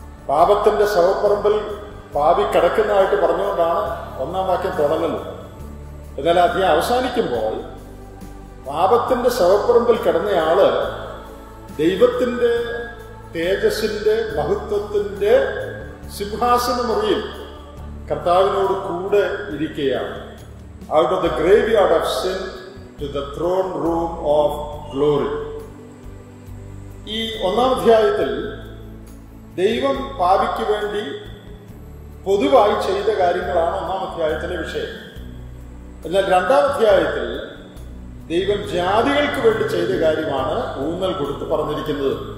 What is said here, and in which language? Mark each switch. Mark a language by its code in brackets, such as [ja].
[ml] പാപത്തിന്റെ ശവപ്പറമ്പിൽ പാപി കടക്കുന്നതായിട്ട് പറഞ്ഞുകൊണ്ടാണ് 1 തുടങ്ങുന്നത്. എന്നാൽ അധ്യായം അവസാനിക്കുമ്പോൾ പാപത്തിന്റെ ശവപ്പറമ്പിൽ കിടന്നയാള് ദൈവത്തിന്റെ തേജസിന്റെ മഹത്വത്തിന്റെ സിംഹാസനമുറിയിൽ കർത്താവിനോട് കൂടെ ഇരിക്കുകയാണ്. [en] Out of the graveyard of sin to the throne room of glory. [ml] ഈ 1 ദൈവം പാപിക്ക് വേണ്ടി പൊതുവായി ചെയ്ത കാര്യങ്ങളാണ് 1 വിഷയം. എന്നാൽ 2 ദൈവം ജാതികൾക്ക് വേണ്ടി ചെയ്ത കാര്യമാണ് ഊന്നൽ കൊടുത്ത് പറഞ്ഞിരിക്കുന്നത്.